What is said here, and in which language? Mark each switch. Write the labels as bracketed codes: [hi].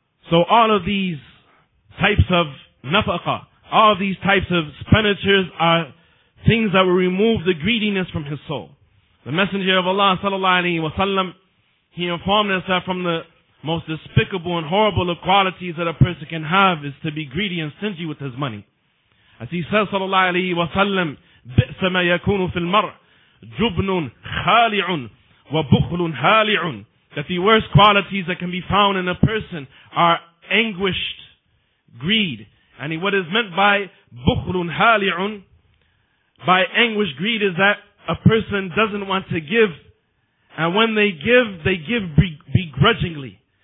[en] So all of these types of nafaqa, all of these types of expenditures are things that will remove the greediness from his soul. The Messenger of Allah sallallahu alaihi wasallam, he informed us that from the most despicable and horrible of qualities that a person can have is to be greedy and stingy with his money. As he says, sallallahu alayhi wa sallam, [ar] بِئْسَ مَا يَكُونُ فِي الْمَرْءِ جُبْنٌ خَالِعٌ وَبُخْلٌ هَالِعٌ. [en] That the worst qualities that can be found in a person are anguished greed. And what is meant by بُخْلٌ هَالِعٌ, by anguished greed, is that a person doesn't want to give. And when they give begrudgingly.